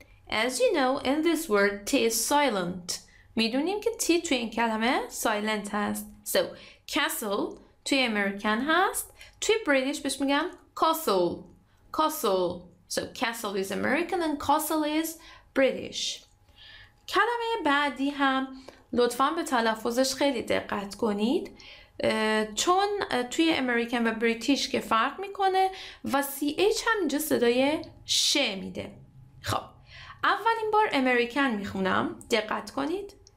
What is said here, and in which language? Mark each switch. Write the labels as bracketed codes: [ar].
[en] As you know in this word T is silent. [fa] میدونیم که T توی این کلمه silent هست، so castle توی امریکن هست، توی بریتیش بهش میگن castle. [en] So castle is American and castle is British. [fa] کلمه بعدی هم لطفاً به تلفظش خیلی دقت کنید، چون توی امریکن و بریتیش که فرق میکنه و CH هم اینجا صدای ش میده. خب اولین بار امریکن میخونم، دقت کنید.